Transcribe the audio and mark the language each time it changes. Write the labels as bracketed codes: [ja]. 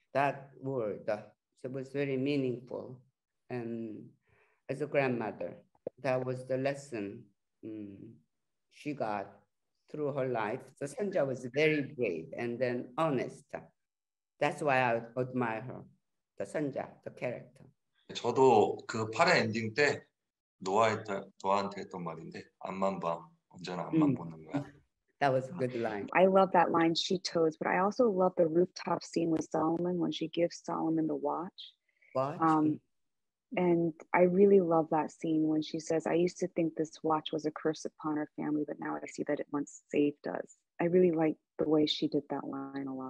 [en] That word was very meaningful. And as a grandmother, that was the lesson she got through her life. So Sanja was very brave and then honest. That's why I admire her, the Sanja, the character. [ko] 저도 그 8회 엔딩 때 노아한테 했던 말인데 앞만 봐, 언제나 앞만 보는 거야. [en] That was a good line. I love that line, she toes, but I also love the rooftop scene with Solomon when she gives Solomon the watch. Watch? And I really love that scene when she says, I used to think this watch was a curse upon our family, but now I see that it once saved us. I really like the way she did that line.